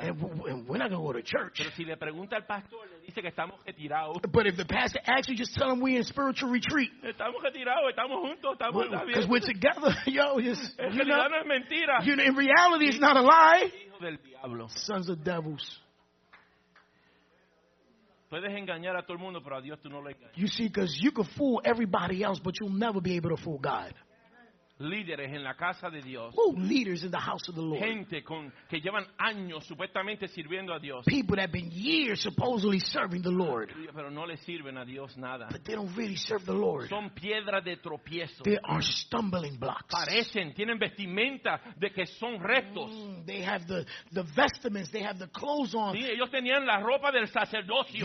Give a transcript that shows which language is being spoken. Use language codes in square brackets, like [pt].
[en] And we're not going to go to church. [es] Pero si le pregunta al pastor, le dice que estamos retirados. [en] But if the pastor asks you, just tell him we're in spiritual retreat. [es] Estamos retirados, estamos juntos, estamos bien. [en] Because we're together. Yo, just, [es] en realidad no es mentira. [en] You know, in reality, it's not a lie. [es] Hijo del diablo. [en] Sons of devils. [es] Puedes engañar a todo el mundo, pero a Dios tú no le engañas. [en] You see, because you can fool everybody else, but you'll never be able to fool God. [es] líderes en la casa de Dios. [en] Oh, leaders in the house of the Lord. [es] Gente con que llevan años supuestamente sirviendo a Dios. [en] People that have been years supposedly serving the Lord. [es] Pero no le sirven a Dios nada. [en] But they don't really serve the Lord. [es] Son piedras de tropiezo. [en] They are stumbling blocks. [es] Parecen, tienen vestimenta de que son rectos. [en] They have the vestments. They have the clothes on. [es] Sí, ellos tenían la ropa del sacerdocio.